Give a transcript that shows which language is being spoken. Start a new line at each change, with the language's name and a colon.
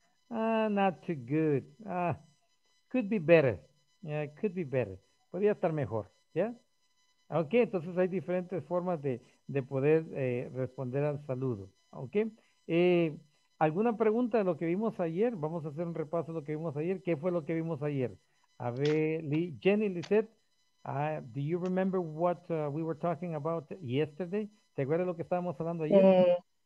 English: not too good. Could be better. Yeah, could be better.
Spanish: Podría estar mejor.
English: Yeah.
Spanish: Okay, entonces hay diferentes formas de poder responder al saludo. Ok. ¿Alguna pregunta de lo que vimos ayer? Vamos a hacer un repaso de lo que vimos ayer. ¿Qué fue lo que vimos ayer? A ver,
English: Jenny, Lizette, do you remember what we were talking about yesterday?
Spanish: ¿Te acuerdas de lo que estábamos hablando ayer?